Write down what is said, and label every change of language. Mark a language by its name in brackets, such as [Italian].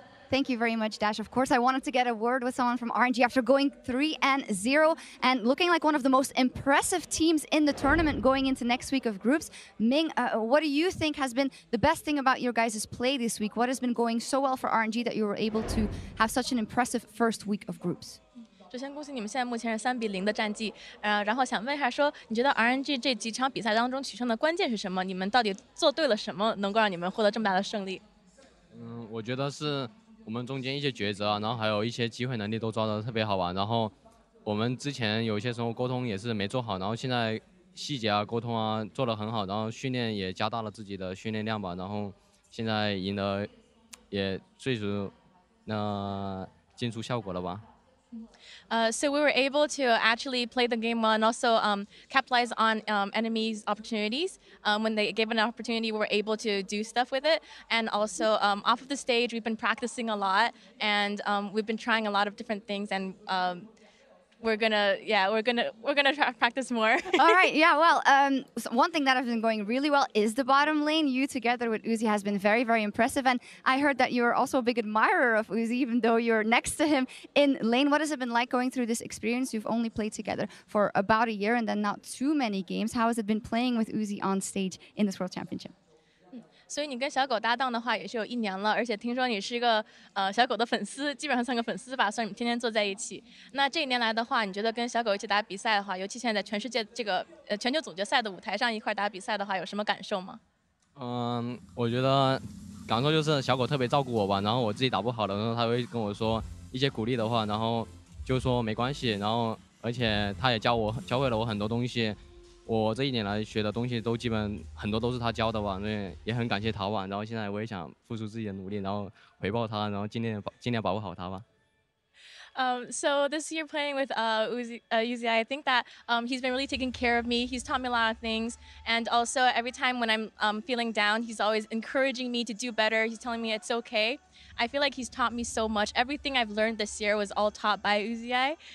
[English] Thank you very much, Dash. Of course, I wanted to get a word with someone from RNG after going 3-0 and looking like one of the most impressive teams in the tournament going into next week of groups. Ming, what do you think has been the best thing about your guys' play this week? What has been going so well for RNG that you were able to have such an impressive first week of groups? [Chinese] 首先恭喜你们现在目前是3-0的战绩，然后想问一下说，你觉得 RNG 这几场比赛当中取胜的关键是什么？你们到底做对了什么，能够让你们获得这么大的胜利？我觉得是。我们中间一些抉择，然后还有一些机会能力都抓得特别好吧，然后我们之前有一些时候沟通也是没做好，然后现在细节啊沟通啊做得很好，然后训练也加大了自己的训练量吧，然后现在赢得也最终那进出效果了吧。 [English] So we were able to actually play the game well and also capitalize on enemies' opportunities. When they gave an opportunity, we were able to do stuff with it. And also off of the stage, we've been practicing a lot, and we've been trying a lot of different things, and we're gonna practice more. All right. Yeah. Well, so one thing that has been going really well is the bottom lane. You together with Uzi has been very, very impressive. And I heard that you're also a big admirer of Uzi, even though you're next to him in lane. What has it been like going through this experience? You've only played together for about a year and then not too many games. How has it been playing with Uzi on stage in this World Championship? [Chinese] 所以你跟小狗搭档的话也是有一年了，而且听说你是个小狗的粉丝，基本上算个粉丝吧，算你们天天坐在一起。那这一年来的话，你觉得跟小狗一起打比赛的话，尤其现在全世界这个全球总决赛的舞台上一块打比赛的话，有什么感受吗？我觉得感受就是小果特别照顾我吧，然后我自己打不好的时候，他会跟我说一些鼓励的话，然后就说没关系，然后而且他也教我，教会了我很多东西。我这一年来学的东西都基本很多都是他教的吧，那也很感谢他吧。然后现在我也想付出自己的努力，然后回报他，然后尽量保护好他吧。 [English] So this year playing with Uzi, I think that he's been really taking care of me. He's taught me a lot of things. And also every time when I'm feeling down, he's always encouraging me to do better. He's telling me it's okay. I feel like he's taught me so much. Everything I've learned this year was all taught by Uzi.